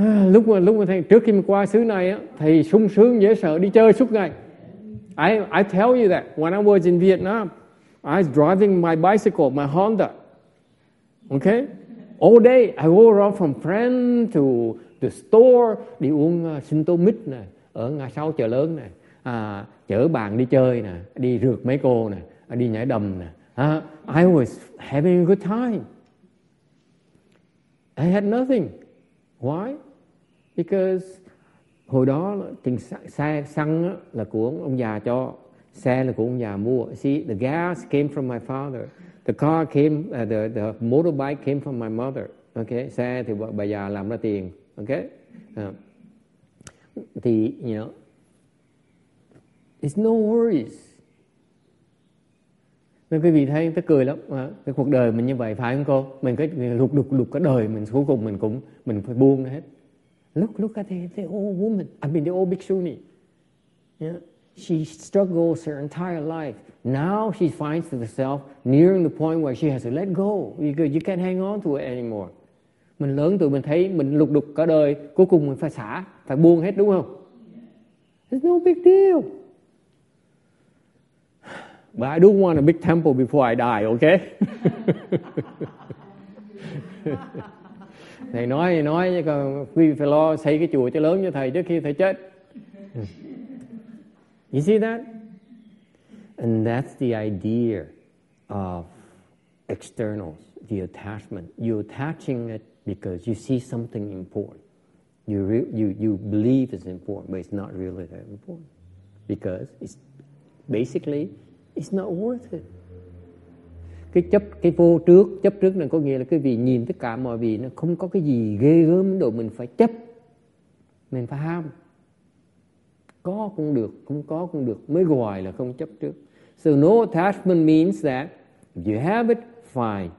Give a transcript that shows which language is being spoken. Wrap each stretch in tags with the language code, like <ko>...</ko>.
<vi>Lúc mà thầy trước khi mình qua xứ này á, thầy sung sướng dễ sợ, đi chơi suốt ngày.</vi> <en>I tell you that when I was in Vietnam, I was driving my bicycle, my Honda. Okay, all day I go around from friend to the store,</en> <vi>đi uống sinh tố mít nè, ở ngã sáu chợ lớn nè, chở bạn đi chơi nè, đi rượt mấy cô nè, đi nhảy đầm nè.</vi> <en>I was having a good time. I had nothing. Why? Because</en> <vi>hồi đó tiền xăng là của ông già cho, xe là của ông già mua.</vi> <en>See, the gas came from my father. The car came, the motorbike came from my mother.</en> <vi>Okay, xe thì bà già làm ra tiền. Okay, thì,</vi> <en>you know, it's no worries.</en> <vi>Nên quý vị thấy, tôi cười lắm. Cái cuộc đời mình như vậy, phải không cô? Mình cứ lục cái đời mình, cuối cùng mình phải buông hết.</vi> <en>Look at the old woman. I mean, the old Bhikshuni. Yeah. She struggles her entire life. Now she finds herself nearing the point where she has to let go. You can't hang on to it anymore.</en> <vi>Mình lớn tuổi mình thấy mình lục đục cả đời, cuối cùng mình phải xả, phải buông hết đúng không?</vi> <en>It's no big deal. But I do want a big temple before I die, okay?</en> <vi>Thầy nói chứ còn quý vị phải lo xây cái chùa cho lớn cho thầy trước khi thầy chết.</vi> <en>You see that? And that's the idea of externals, the attachment. You're attaching it because you see something important. You believe it's important, but it's not really that important. Because it's basically, it's not worth it.</en> <vi>Cái vô trước, chấp trước này có nghĩa là cái vị nhìn tất cả mọi vị nó không có cái gì ghê gớm đồ mình phải chấp, mình phải ham. Có cũng được, không có cũng được, mới gọi là không chấp trước.</vi> <en>So no attachment means that if you have it, fine.</en>